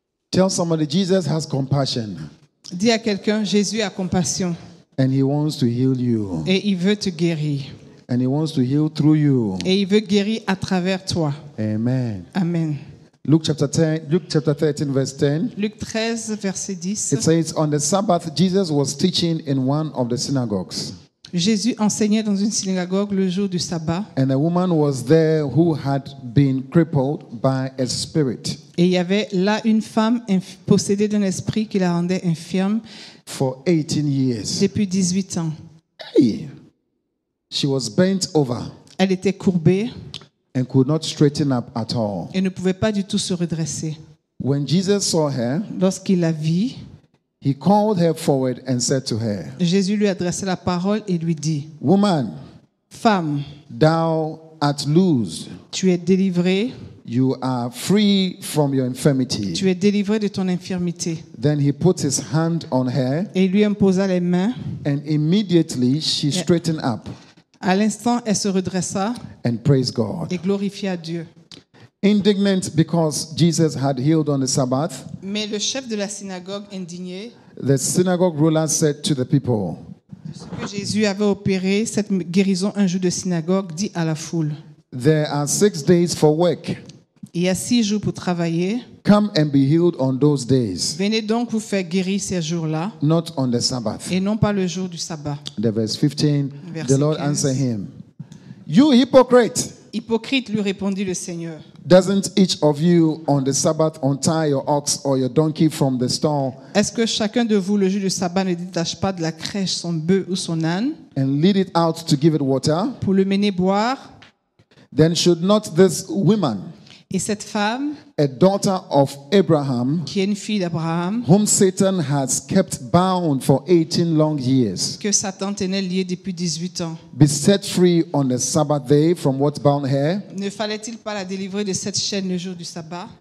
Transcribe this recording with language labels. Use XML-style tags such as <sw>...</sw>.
<en>Tell somebody, Jesus has compassion.</en> <fr>Dis à quelqu'un, Jésus a compassion.</fr> <en>And he wants to heal you.</en> <fr>Et il veut te guérir.</fr> <en>And he wants to heal through you.</en> <fr>Et il veut guérir à travers toi.</fr> <en>Amen.</en> <fr>Amen.</fr> <en>Luke chapter 13, verse 10.</en> <fr>Luc 13, verset 10.</fr> <en>It says, on the Sabbath, Jesus was teaching in one of the synagogues.</en> <fr>Jésus enseignait dans une synagogue le jour du sabbat.</fr> <en>And a woman was there who had been crippled by a spirit.</en> <fr>Et il y avait là une femme possédée d'un esprit qui la rendait infirme.</fr> <en>For 18 years.</en> <fr>Depuis 18 ans.</fr> <en>Hey. She was bent over.</en> <fr>Elle était courbée.</fr> <en>And could not straighten up at all.</en> <fr>Et ne pouvait pas du tout se redresser.</fr> <en>When Jesus saw her,</en> <fr>lorsqu'il la vit,</fr> <en>he called her forward and said to her,</en> <fr>Jésus lui adressa la parole et lui dit,</fr> <en>woman,</en> <fr>femme,</fr> <en>thou art loose.</en> <fr>Tu es délivrée.</fr> <en>You are free from your infirmity.</en> <fr>Tu es délivrée de ton infirmité.</fr> <en>Then he put his hand on her,</en> <fr>et lui imposa les mains,</fr> <en>and immediately she straightened up.</en> <fr>À l'instant, elle se redressa</fr> <en>and praise God.</en> <fr>Et glorifia Dieu.</fr> <en>Indignant because Jesus had healed on the Sabbath,</en> <fr>mais le chef de la synagogue indigné,</fr> <en>the synagogue ruler said to the people,</en> <fr>ce que Jésus avait opéré, cette guérison un jour de synagogue, dit à la foule,</fr> <en>there are 6 days for work.</en> <fr>Il y a 6 jours pour travailler.</fr> <en>Come and be healed on those days.</en> <fr>Venez donc vous faire guérir ces jours-là.</fr> <en>Not on the Sabbath.</en> <fr>Et non pas le jour du sabbat.</fr> <en>The verse 15, verse the Lord 15. Answered him, you hypocrite.</en> <fr>Hypocrite, lui répondit le Seigneur.</fr> <en>Doesn't each of you on the Sabbath untie your ox or your donkey from the stall?</en> <fr>Est-ce que chacun de vous le jour du sabbat ne détache pas de la crèche son bœuf ou son âne?</fr> <en>And lead it out to give it water.</en> <fr>Pour le mener boire.</fr> <en>Then should not this woman,</en> <fr>et cette femme,</fr> <en>a daughter of Abraham,</en> <fr>qui est une fille d'Abraham,</fr> <en>whom Satan has kept bound for 18 long years,</en> <fr>que Satan tenait liée depuis 18 ans,</fr> <en>be set free on the Sabbath day from what bound her?</en> <fr>Ne fallait-il pas la délivrer de cette chaîne le jour du sabbat?</fr>